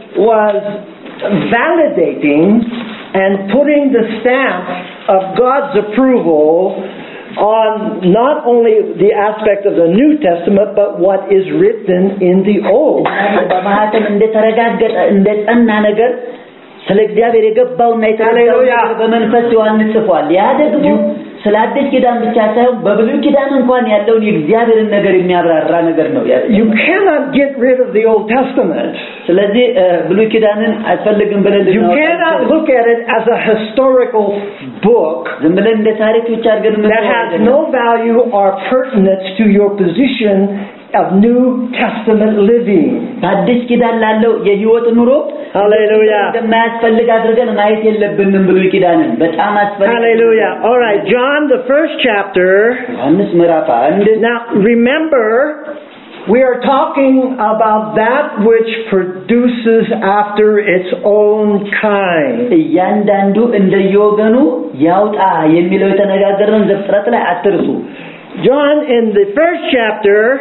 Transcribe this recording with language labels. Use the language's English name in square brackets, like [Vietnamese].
[English] was validating and putting the stamp of God's approval on not only the aspect of the New Testament but what is written in the Old [Amharic] በማህተም እንደተረጋገጠ እንደጠና ነገር ስለ እግዚአብሔር የገባውና የተገለጠው በመንፈስ ዮሐንስ ጽፏል። ያ ደግሞ ስለ አዲስ ኪዳን ብቻ ሳይሆን በብሉይ ኪዳን እንኳን ያለውን የእግዚአብሔርን ነገር የሚያብራራ ነገር ነው ያለው። [English] You cannot get rid of the Old Testament. [Amharic] ስለዚህ ብሉይ ኪዳንን አትፈልግም ብለን ነው። [English] You cannot look at it as a historical book. [Amharic] ዝም ብለን እንደ ታሪክ ብቻ አድርገን ነው። [English] That has no value or pertinence to your position of New Testament living. [Amharic] አዲስ ኪዳን ላለው የህይወት ኑሮ [English] Hallelujah. [Amharic] እንደማያስፈልግ አድርገን ማየት የለብንም ብሉይ ኪዳንን በጣም አስፈልግ። [English] Hallelujah. All right, John the first chapter. [Amharic] ዮሐንስ ምዕራፍ 1. [English] Now remember we are talking about that which produces after its own kind. [Amharic] ያንዳንዱ እንደየወገኑ ያውጣ የሚለው ተነጋገረን ዘፍጥረት ላይ አትርሱ። [English] John in the first chapter.